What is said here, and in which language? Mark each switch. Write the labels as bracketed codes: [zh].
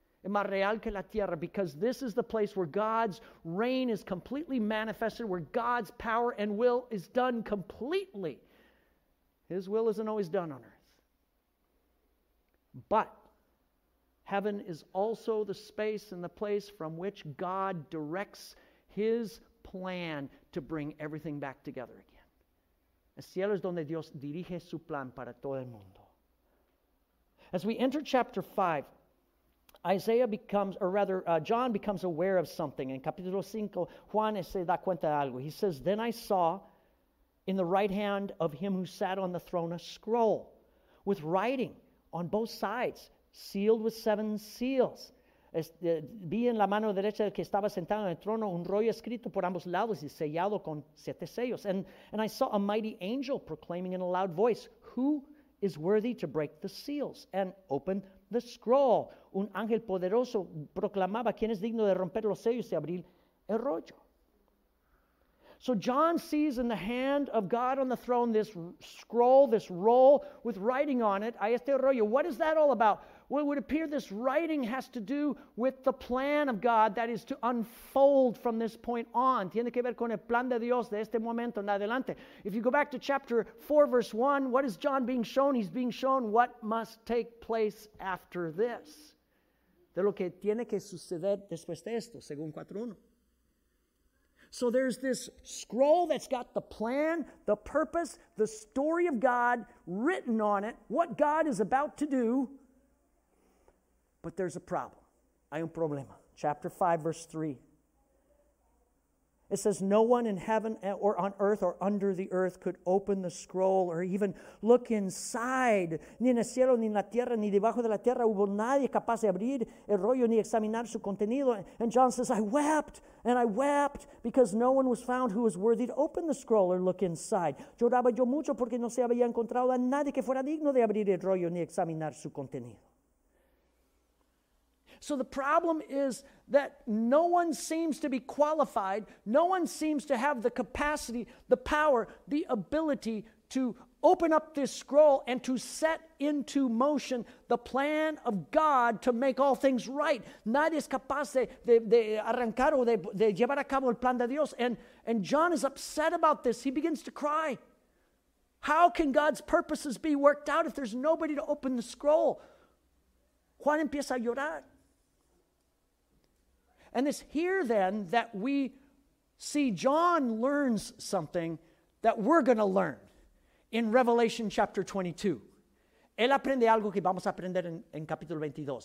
[en] Es más real que la tierra, because this is the place where God's reign is completely manifested, where God's power and will is done completely. His will isn't always done on earth. But heaven is also the space and the place from which God directs his plan to bring everything back together again. [es] El cielo es donde Dios dirige su plan para todo el mundo. [en] As we enter chapter 5, John becomes aware of something. In [es] capítulo 5, Juan se da cuenta de algo. [en] He says, "Then I saw in the right hand of him who sat on the throne a scroll with writing on both sides, sealed with seven seals. [es] Vi en la mano derecha del que estaba sentado en el trono un rollo escrito por ambos lados y sellado con siete sellos. [en] And I saw a mighty angel proclaiming in a loud voice, 'Who is worthy to break the seals and open the scroll?'" [es] Un ángel poderoso proclamaba, "¿Quién es digno de romper los sellos y abrir el rollo?" [en] So John sees in the hand of God on the throne this scroll, this roll with writing on it. [es] Ahí está el rollo. [en] What is that all about? Well, it would appear this writing has to do with the plan of God that is to unfold from this point on. [es] Tiene que ver con el plan de Dios de este momento en adelante. [en] If you go back to chapter 4, verse 1, what is John being shown? He's being shown what must take place after this. [es] De lo que tiene que suceder después de esto, según 4:1. [en] So there's this scroll that's got the plan, the purpose, the story of God written on it, what God is about to do. But there's a problem. [es] Hay un problema. [en] Chapter 5, verse 3. It says, no one in heaven or on earth or under the earth could open the scroll or even look inside. [es] Ni en el cielo, ni en la tierra, ni debajo de la tierra hubo nadie capaz de abrir el rollo ni examinar su contenido. [en] And John says, I wept because no one was found who was worthy to open the scroll or look inside. [es] Lloraba yo mucho porque no se había encontrado a nadie que fuera digno de abrir el rollo ni examinar su contenido. [en] So the problem is that no one seems to be qualified, no one seems to have the capacity, the power, the ability to open up this scroll and to set into motion the plan of God to make all things right. [es] Nadie es capaz de arrancar o de llevar a cabo el plan de Dios. [en] And John is upset about this. He begins to cry. How can God's purposes be worked out if there's nobody to open the scroll? [es] Juan empieza a llorar. [en] And it's here then that we see John learns something that we're going to learn in Revelation chapter 22. [es] Él aprende algo que vamos a aprender en capítulo 22.